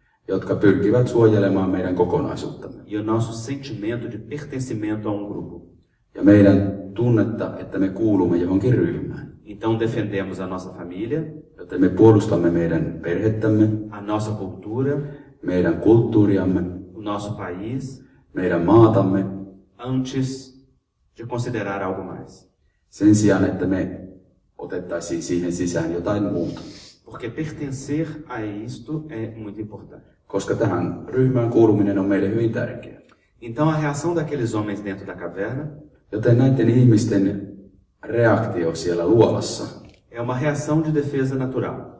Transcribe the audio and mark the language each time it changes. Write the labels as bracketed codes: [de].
[fi] Jotka pyrkivät suojelemaan meidän kokonaisuuttamme. [pt] E o nosso sentimento de pertencimento a grupo. [fi] Ja meidän tunnetta, että me kuulumme johonkin ryhmään. [pt] Então defendemos a nossa família. [fi] Joten me puolustamme meidän perhettämme. [pt] A nossa cultura. [fi] Meidän kulttuuriamme. [pt] O nosso país. [fi] Meidän maatamme. [pt] Antes de considerar algo mais. [fi] Sen sijaan, että me otettaisiin siihen sisään jotain muuta. [pt] Porque pertencer a isto é muito importante. [fi] Koska tähän ryhmään kuuluminen on meille hyvin tärkeä. [pt] Então a reação daqueles homens dentro da caverna. [fi] Joten näiden ihmisten reaktio siellä luolassa. [pt] É uma reação de defesa natural.